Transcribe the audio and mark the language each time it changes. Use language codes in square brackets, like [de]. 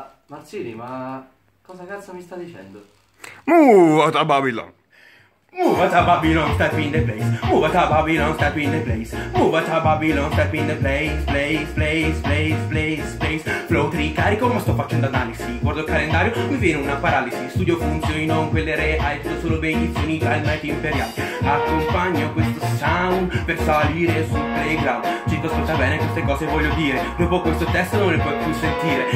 [it] Marsili, ma cosa cazzo mi sta dicendo? [en] Move out of Babylon. Move out of Babylon, step in the place. Move out of Babylon, step in the place. Move out of Babylon, step in the place. Place, place, place, place, place. [it] Flow tricarico, ma sto facendo analisi. Guardo il calendario, mi viene una paralisi. Studio funzioni, non quelle reali. Sono solo benedizioni dal Night Imperial. Accompagno questo sound per salire sul playground. Cinto, ascolta bene queste cose, voglio dire. Dopo questo testo non le puoi più sentire.